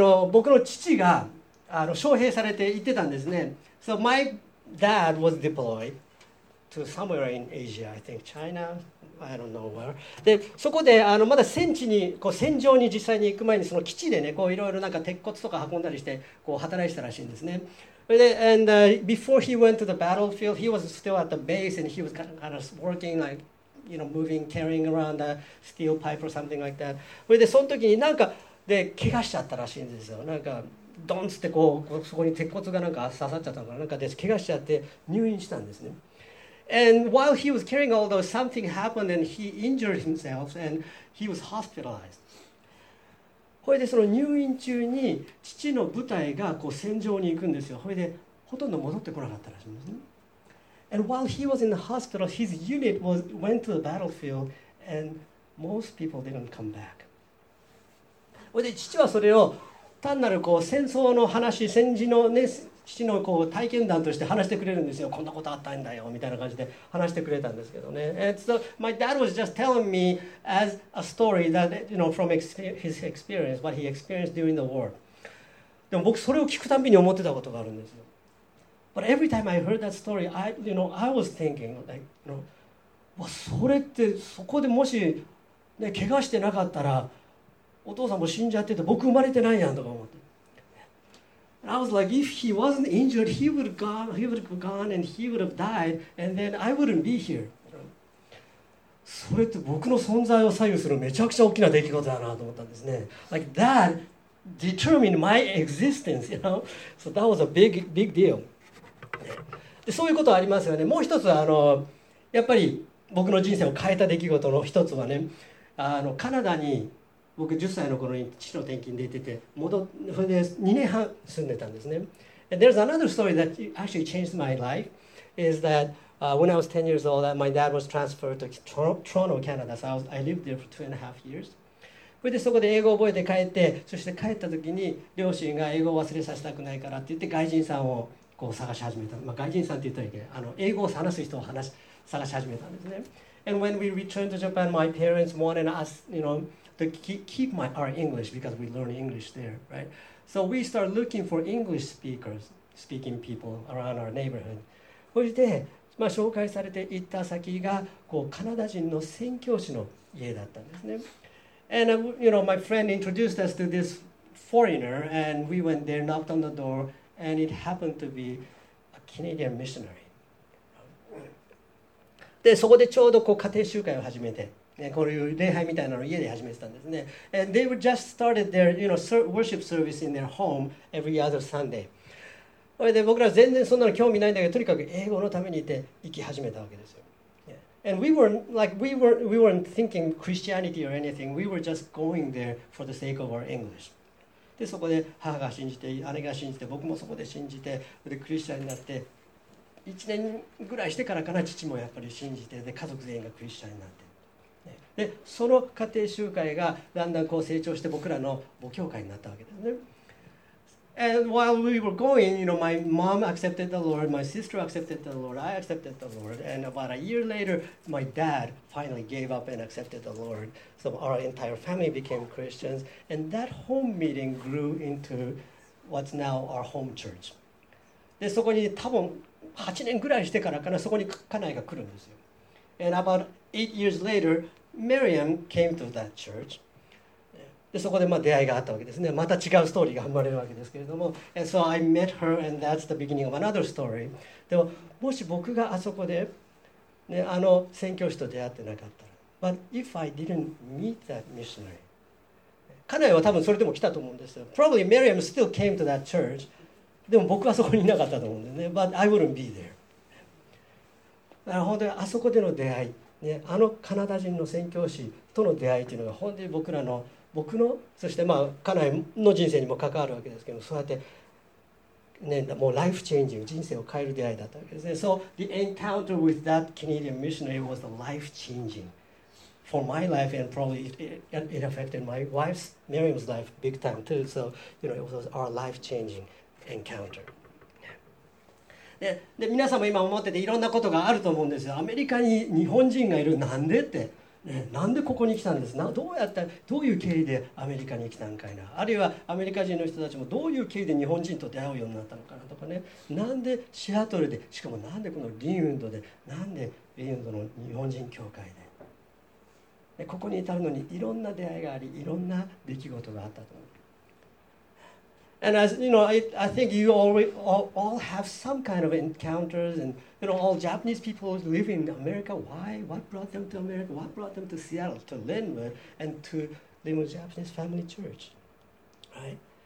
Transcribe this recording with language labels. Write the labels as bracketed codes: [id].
[ja] 僕の父が招聘されて行ってたんですね。 [en] So my dad was deployed to somewhere in Asia. I think China. I don't know where. [ja] で、そこでまだ戦地にこう戦場に実際に行く前にその基地でね、こういろいろなんか鉄骨とか運んだりしてこう働いてたらしいんですね。 [en] And before he went to the battlefield, he was still at the base and he was kind of working, like, you know, moving, carrying around a steel pipe or something like that. [ja] それでその時になんかで怪我しちゃったらしいんですよ。なんかドンってこうそこに鉄骨がなんか刺さっちゃったのかな。なんかで怪我しちゃって入院したんですね。 [en] And while he was carrying all those, something happened and he injured himself and he was hospitalized. [ja] これでその入院中に父の部隊がこう戦場に行くんですよ。これでほとんど戻ってこなかったらしいんですね。 [en] And while he was in the hospital, his unit went to the battlefield, and most people didn't come back. [ja] それで父はそれを単なるこう戦争の話、戦時のね、父のこう体験談として話してくれるんですよ。こんなことあったんだよみたいな感じで話してくれたんですけどね。 [en] And so my dad was just telling me as a story that, you know, from his experience, what he experienced during the war. [ja] でも僕それを聞くたびに思ってたことがあるんですよ。 [en] But every time I heard that story, I, you know, [ja] I was thinking, like, you know, それってそこでもし、ね、怪我してなかったらお父さんも死んじゃってて僕生まれてないやんとか思って。 [en] I was like, if he wasn't injured, he would have gone and he would have died, and then I wouldn't be here. [ja] それって僕の存在を左右するめちゃくちゃ大きな出来事だなと思ったんですね。 [en] Like that determined my existence, you know? So that was a big deal. [ja] でそういうことありますよね。もう一つやっぱり僕の人生を変えた出来事の一つはね、カナダに僕10歳の頃に父の転勤で出てて、それで2年半住んでたんですね。 [en] And there's another story that actually changed my life is that when I was 10 years old, my dad was transferred to Toronto, Canada. So I lived there for 2.5 years. [ja] それでそこで英語を覚えて帰って、そして帰った時に両親が英語を忘れさせたくないからって言って外人さんをこう探し始めた。まあ、外人さんって言ったらいいけど、英語を話す人を探し始めたんですね。 [en] And when we returned to Japan, my parents wanted us, you know,to keep our English because we learn English there, right? So we start looking for English speakers, speaking people around our neighborhood. [ja] そして、まあ、紹介されて行った先がこうカナダ人の宣教師の家だったんですね。 [en] And, you know, my friend introduced us to this foreigner and we went there, knocked on the door and it happened to be a Canadian missionary. [ja] で、そこでちょうどこう家庭集会を始めて、ね、こういう礼拝みたいなのを家で始めてたんですね。 [en] And they would just started their, you know, worship service in their home every other Sunday. [ja] で僕ら全然そんなの興味ないんだけど、とにかく英語のためにいて行き始めたわけですよ。 [en] Yeah. And we weren't thinking Christianity or anything. We were just going there for the sake of our English. [ja] で、そこで母が信じて、姉が信じて、僕もそこで信じて、でクリスチャンになって、1年ぐらいしてからかな、父もやっぱり信じて、で家族全員がクリスチャンになって。でその家庭集会がだんだんこう成長して僕らの母教会になったわけですね。 [en] And while we were going, you know, my mom accepted the Lord, my sister accepted the Lord, I accepted the Lord, and about a year later, my dad finally gave up and accepted the Lord. So our entire family became Christians, and that home meeting grew into what's now our home church. [ja] でそこに多分8年ぐらいしてからかな、そこに家内が来るんですよ。 [en] And about 8 years later,Miriam came to that church. [ja] でそこでまあ出会いがあったわけですね。また違うストーリーが生まれるわけですけれども。 [en] And so I met her and that's the beginning of another story. [ja] でももし僕があそこでね、あの宣教師と出会ってなかったら。 [en] But if I didn't meet that missionary、 [ja] 彼女は多分それでも来たと思うんですよ。 [en] Probably Miriam still came to that church。 [ja] でも僕はそこにいなかったと思うんですね。 [en] But I wouldn't be there。 [ja] だから本当にあそこでの出会い、ね、あのカナダ人の宣教師との出会いというのが本当に僕のそして、まあ、家内の人生にも関わるわけですけども、そうやって、ね、もうライフチェンジング、人生を変える出会いだったわけですね。 [en] So the encounter with that Canadian missionary was a life changing for my life, and probably it affected my wife's, Miriam's life big time too. So, you know, it was our life changing encounter. [ja] で皆さんも今思ってて、いろんなことがあると思うんですよ。アメリカに日本人がいる、なんでって、なんでここに来たんですか、どうやった、どういう経緯でアメリカに来たんかいな、あるいはアメリカ人の人たちもどういう経緯で日本人と出会うようになったのかなとかね、なんでシアトルで、しかもなんでこのリンウッドで、なんでリンウッドの日本人教会で、ここに至るのにいろんな出会いがあり、いろんな出来事があったと思う。 [en] And as you know, I think you all have some kind of encounters andYou know, all Japanese people who live in America, why? What brought them to America? What brought them to Seattle, to Linwood, and to Linwood Japanese Family Church? Right?